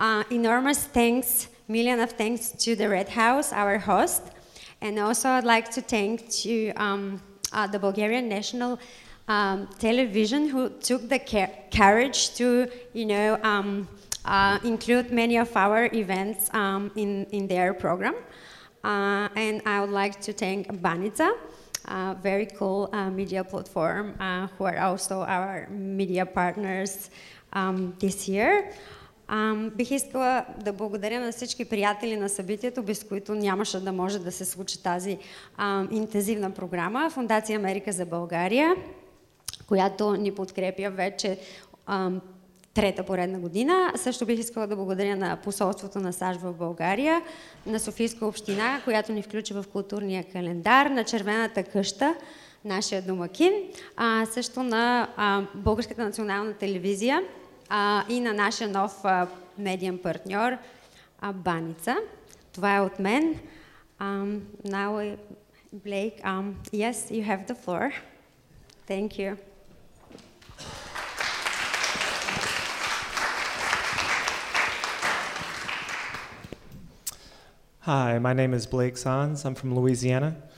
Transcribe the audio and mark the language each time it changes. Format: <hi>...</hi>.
<en>Enormous thanks, million of thanks to the Red House, our host, and also I'd like to thank to the Bulgarian National Television, who took the courage to, you know, include many of our events in their program. And I would like to thank Banica, a very cool media platform, who are also our media partners this year.</en> <bg>Бих искала да благодаря на всички приятели на събитието, без които нямаше да може да се случи тази интензивна програма. Фондация Америка за България, която ни подкрепя вече трета поредна година. Също бих искала да благодаря на посолството на САЩ в България, на Софийска община, която ни включи в културния календар, на Червената къща, нашия домакин, също на Българската национална телевизия и на нашия нов медиен партньор Баница. Това е от мен.</bg> <en>Now, Blake, yes, you have the floor. Thank you. Hi, my name is Blake Sons. I'm from Louisiana.</en>